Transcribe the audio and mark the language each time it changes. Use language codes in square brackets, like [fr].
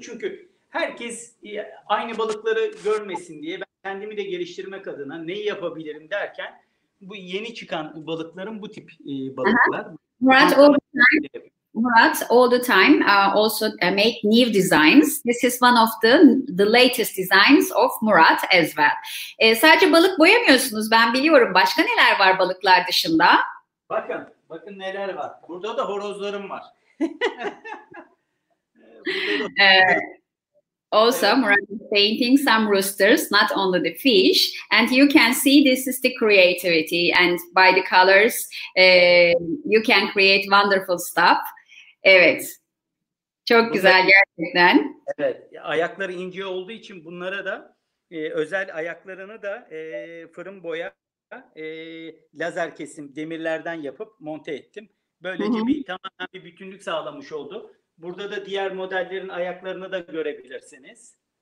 [tr] Çünkü herkes aynı balıkları görmesin diye ben kendimi de geliştirmek adına neyi yapabilirim derken bu yeni çıkan balıkların bu tip balıklar. [en] Murat all the time also make new designs. This is one of the latest designs of Murat as well. [tr] Sadece balık boyamıyorsunuz ben biliyorum. Başka neler var balıklar dışında? Bakın neler var. Burada da horozlarım var. [en] Also, Murat is painting some roosters, not only the fish. And you can see this is the creativity. And by the colors, you can create wonderful stuff. [tr] Evet. Çok güzel gerçekten. Evet. Ayakları ince olduğu için bunlara da özel ayaklarını da fırın boya lazer kesim demirlerden yapıp monte ettim. Böylece bir tamamen bir bütünlük sağlamış oldu. Burada da diğer modellerin ayaklarını da görebilirsiniz.